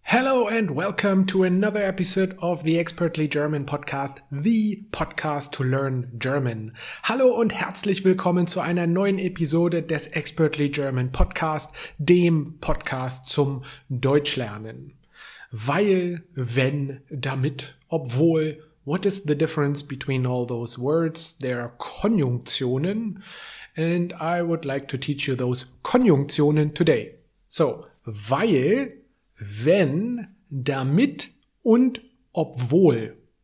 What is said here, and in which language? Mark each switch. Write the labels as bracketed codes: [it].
[en] Hello and welcome to another episode of the Expertly German Podcast, the podcast to learn German. [de] Hallo und herzlich willkommen zu einer neuen Episode des Expertly German Podcast, dem Podcast zum Deutschlernen. Weil, wenn, damit, obwohl, [en] what is the difference between all those words? There are Konjunktionen and I would like to teach you those Konjunktionen today. [de] So, weil, wenn, damit und obwohl.